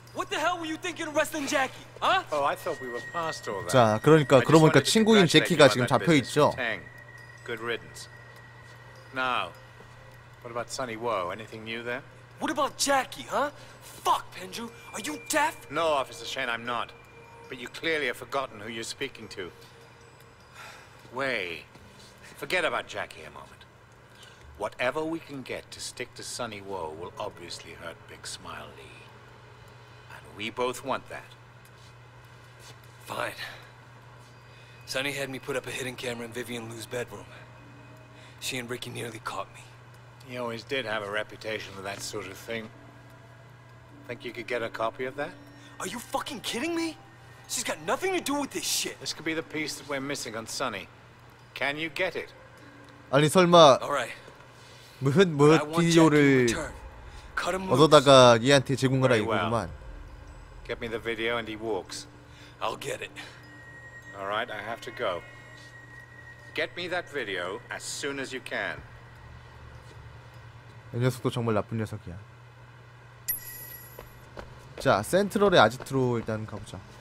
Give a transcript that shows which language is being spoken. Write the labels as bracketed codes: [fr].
[en] What the hell were you thinking of wrestling Jackie? Huh? Oh, I thought we were past all that. [ko] 자, 그러니까 그러니까 친구인 제키가 지금 잡혀 있죠. [en] Good riddance. Now, what about Sunny Woe? Anything new there? What about Jackie, huh? Fuck, Penju, are you deaf? No, Officer Shane, I'm not. But you clearly have forgotten who you're speaking to. Way. Forget about Jackie a moment. Whatever we can get to stick to Sunny Woe will obviously hurt Big Smile Lee. And we both want that. Fine. Sunny had me put up a hidden camera in Vivian Liu's bedroom. She and Ricky nearly caught me. He always did have a reputation for that sort of thing. Think you could get a copy of that? Are you fucking kidding me? She's got nothing to do with this shit. This could be the piece that we're missing on Sunny. Can you get it? [ko] 아니 설마 무슨 뭐 비디오를 얻어다가 얘한테 제공하라 이거구만. [en] Get me the video and he walks. I'll get it. All right, I have to go. Get me that video as soon as you can. [ko] 이 녀석도 정말 나쁜 녀석이야. 자, 센트럴의 아지트로 일단 가보자.